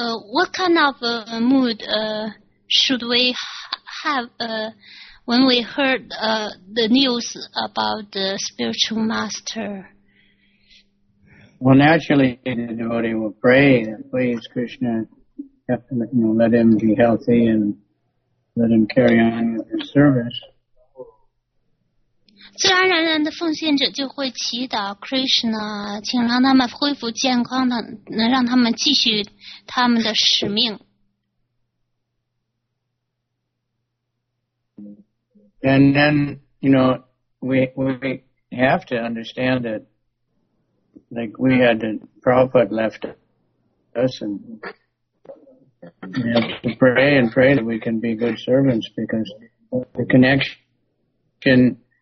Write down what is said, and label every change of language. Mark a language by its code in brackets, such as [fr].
[en] what kind of mood should we have when we heard the news about the spiritual master? Well, naturally, the devotee will pray, please, Krishna, you know, let him be healthy and let him carry on with his service. [zh] 自然而然的奉献者就会祈祷 Krishna， 请让他们恢复健康的，能让他们继续他们的使命。 [en] And then, you know, we have to understand that, like we had the Prabhupada left us, and we have to pray that we can be good servants because the connection can.